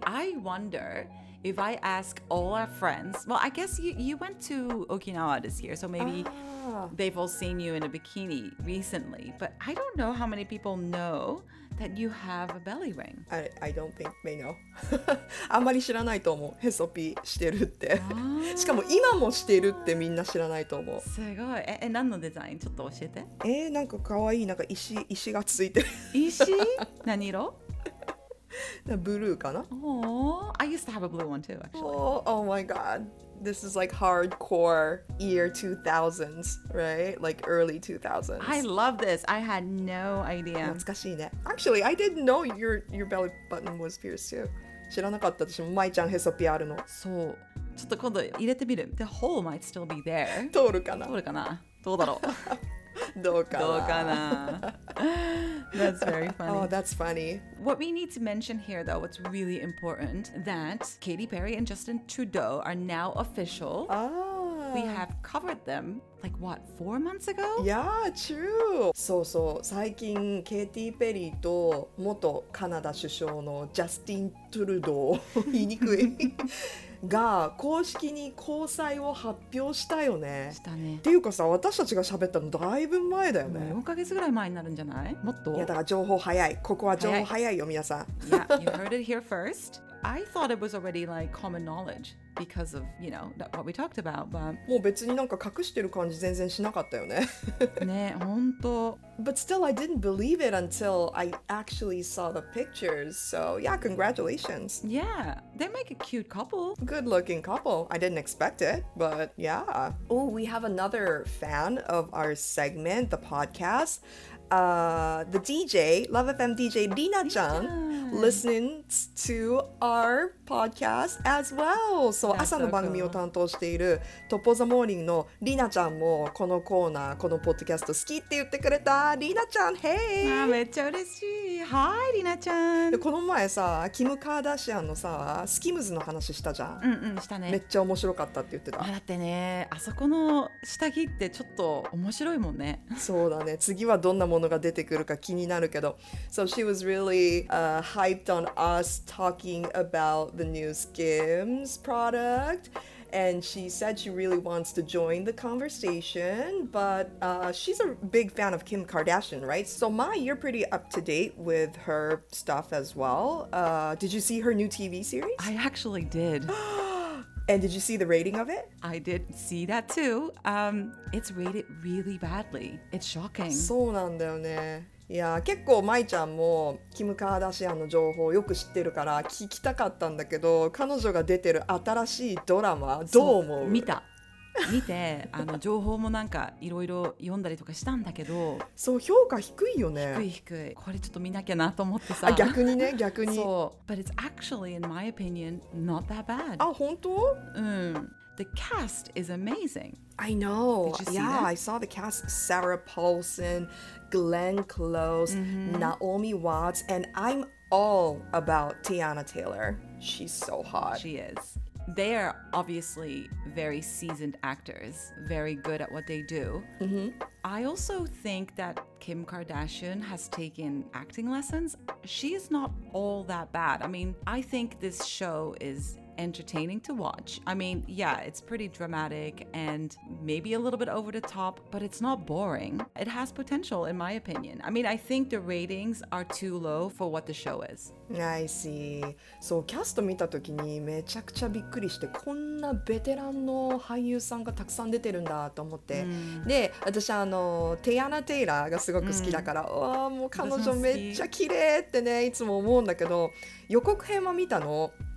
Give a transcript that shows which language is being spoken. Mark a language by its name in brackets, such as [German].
[English] I wonder if I ask all our friends. Well, I guess you went to Okinawa this year, so maybe they've all seen you in a bikini recently. But I don't know how many people know. That you have a belly ring. I don't think they know. [Japanese] あんまり知らないと思う。へそぴしてるって。しかも今もしてるってみんな知らないと思う。すごい。え、何のデザインちょっと教えて。なんかかわいい。なんか石がついてる。石？何色？なブルーかな。 [English] Oh, I used to have a blue one too, actually. Oh, oh my god. This is like hardcore year 2000s, right? Like early 2000s. I love this. I had no idea. [Japanese] 懐かしいね。 [English] Actually, I didn't know your belly button was pierced too. [Japanese] 知らなかった。私もマイちゃんへそピアるの。そう。ちょっと今度入れてみる。 [English] The hole might still be there. [Japanese] 通るかな？通るかな？どうだろう？どうかな？どうかな？ [English] That's very funny. Oh, that's funny. What we need to mention here, though, what's really important, that Katy Perry and Justin Trudeau are now official. Oh. We have covered them, like what, 4 months ago? Yeah, true. [Japanese] そうそう、最近 Katy Perry と元カナダ首相の Justin Trudeau 言いにくいが公式に交際を発表したよね。したね。っていうかさ、私たちが喋ったのだいぶ前だよね。 4ヶ月ぐらい前になるんじゃない？もっと。いやだから情報早い。ここは情報早いよ、皆さん。 [English] Yeah, you heard it here first. I thought it was already like common knowledge because of, you know, that what we talked about, but [Japanese] もう別になんか隠してる感じ全然しなかったよね。ね、本当。 [English] But still, I didn't believe it until I actually saw the pictures. So yeah, congratulations. Yeah, they make a cute couple. Good looking couple. I didn't expect it, but yeah. Oh, we have another fan of our segment, the podcast. The DJ, Love FM DJ, Lina-chan, listens to our podcast as well. [Japanese] So, 朝の番組を担当しているトポザモーニングの Lina-chan もこのコーナー、このポッドキャスト好きって言ってくれた。 [English] Lina-chan, hey! [Japanese] あ、めっちゃ嬉しい。 [English] Hi, [Japanese] Lina-chan! この前さ、キム・カーダシアンのさ、スキムズの話したじゃん。うんうん、したね。めっちゃ面白かったって言ってた。あ、だってね、あそこの下着ってちょっと面白いもんね。そうだね。次はどんなものが出てくるか気になるけど。 [English] So she was really hyped on us talking about the new Skims product, and she said she really wants to join the conversation, but she's a big fan of Kim Kardashian, right? So Mai, you're pretty up to date with her stuff as well. Did you see her new TV series? I actually did. And did you see the rating of it? I did see that too. It's rated really badly. It's shocking. [Japanese] そうなんだよね。いや、結構まいちゃんもキム・カーダシアンの情報をよく知ってるから聞きたかったんだけど、彼女が出てる新しいドラマどう思う？見た。見て、あの情報もなんかいろいろ読んだりとかしたんだけど、そう、評価低いよね。低い低い。これちょっと見なきゃなと思ってさ。逆にね、逆に。そう。 [English] But it's actually, in my opinion, not that bad. [Japanese] あ、本当？ [English] うん。The cast is amazing. I know. Did you see yeah, that? I saw the cast. Sarah Paulson, Glenn Close,、mm-hmm. Naomi Watts, and I'm all about Teyana Taylor. She's so hot. She is. They are obviously very seasoned actors, very good at what they do. Mm-hmm. I also think that Kim Kardashian has taken acting lessons. She is not all that bad. I mean, I think this show is entertaining to watch. I mean, yeah, it's pretty dramatic and maybe a little bit over the top, but it's not boring. It has potential, in my opinion. I mean, I think the ratings are too low for what the show is. I see. [Japanese] So, キャスト見た時にめちゃくちゃびっくりして、こんなベテランの俳優さんがたくさん出てるんだと思って。で、私あのテイアナ・テイラーがすごく好きだから、うわあもう彼女めっちゃ綺麗ってねいつも思うんだけど、予告編は見たの。